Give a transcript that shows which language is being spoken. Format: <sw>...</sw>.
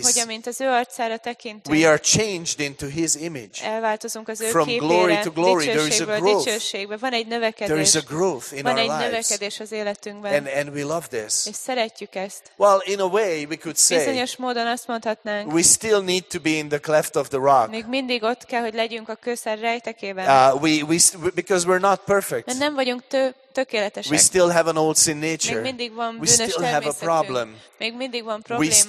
<hu>hogy amint az ő arcára tekintünk,</hu> <en>we are changed into his image.</en> <hu>Elváltozunk az ő</hu> <en>from</en> <hu>képére.</hu> <en>Glory to glory, there is a growth.</en> <hu>Van egy növekedés.</hu> <en>There is a growth in</en> <hu>van</hu> <en>our lives.</en> <hu>Van egy növekedés az életünkben.</hu> <en>And we love this.</en> <hu>És szeretjük ezt.</hu> <en>Well, in a way, we could say,</en> <hu>bizonyos módon azt mondhatnánk,</hu> <en>we still need to be in the cleft of the rock.</en> <hu>Még mindig ott kell, hogy legyünk a kőszer rejtekében.</hu> <en>Because we're not perfect.</en> <hu>Mert nem vagyunk tökéletesek.</hu> <en>We still have an old sin nature.</en> <hu>Még mindig van bűnös természetünk.</hu> <en>We still have a problem.</en> <hu>Még mindig van problémánk.</hu>